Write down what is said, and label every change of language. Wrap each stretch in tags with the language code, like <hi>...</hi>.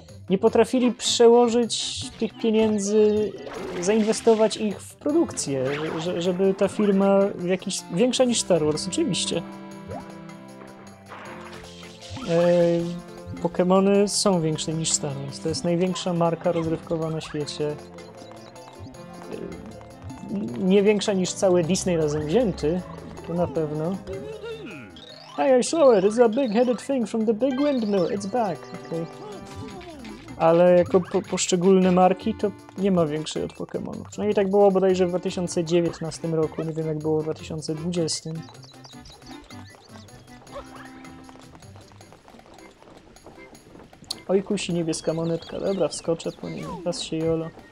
<pl>Nie potrafili przełożyć tych pieniędzy, zainwestować ich w produkcję, żeby ta firma jakiś większa niż Star Wars, oczywiście. Pokémony są większe niż Star Wars. To jest największa marka rozrywkowa na świecie. Nie większa niż cały Disney razem wzięty, to na pewno.</pl> <en>Hey, I saw it! It's a big-headed thing from the big windmill. It's back. Okay.</en> <pl>Ale jako poszczególne marki, to nie ma większej od Pokémonu. Przynajmniej tak było bodajże w 2019 roku, nie wiem jak było w 2020. Oj, kusi niebieska monetka. Dobra, wskoczę po niej. Raz się jolo.</pl>